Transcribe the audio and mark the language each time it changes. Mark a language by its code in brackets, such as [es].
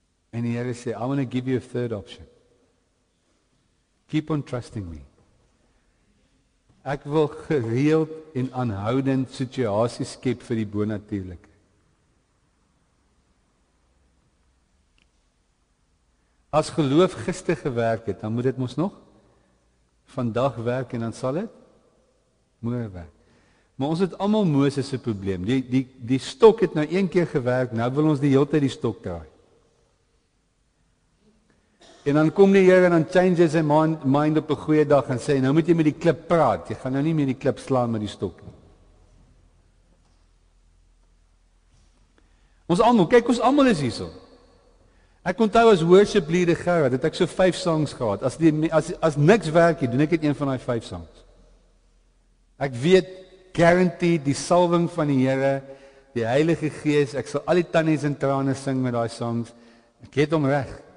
[af] En die Here sê, [en] I want to give you a third option. Keep on trusting me. [af] Ek wil gereeld en aanhoudend situasies skep vir die bonatuurlike. As geloof gister gewerk het, dan moet dit mos nog vandag werk en dan sal het môre werk. Maar ons het allemaal Moses' probleem. Die stok het nou een keer gewerk, nou wil ons die hele tijd die stok draai. En dan kom die Heer en dan [en] change sy mind [af] op 'n goeie dag en sê, nou moet jy met die klip praat, jy gaan nou nie met die klip slaan met die stok. Ons allemaal, kyk ons allemaal is hier so. Ek onthou as worship leader Gerard, het ek so 5 songs gehad. As niks werk, doen ek het een van die 5 songs. Ek weet, guaranteed, die salving van die Here, die Heilige Gees, ek sal al die tannies en trane sing met die songs, ek het hom reg.